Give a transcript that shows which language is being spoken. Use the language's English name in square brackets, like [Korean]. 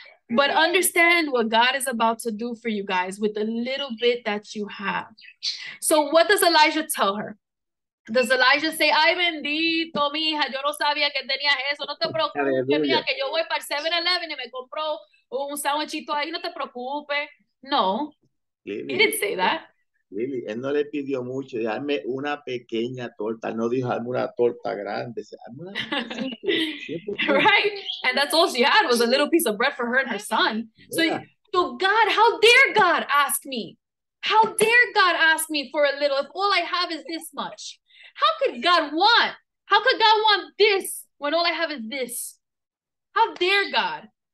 [English] But understand what God is about to do for you guys with the little bit that you have. So what does Elijah tell her? [Spanish] Does Elijah say, ay, bendito, mija, yo no sabía que tenías eso. No te preocupes, mija, que yo voy para 7-Eleven y me compro un sandwichito ahí, no te preocupes. [English] No, he didn't say that. [Spanish] Lili, él no le pidió mucho, dame una pequeña torta, no dijo dame una torta grande. [English] Right, and that's all she had was a little piece of bread for her and her son. So, yeah. So God, how dare God ask me? How dare God ask me for a little if all I have is this much? How could God want? How could God want this when all I have is this? How dare God?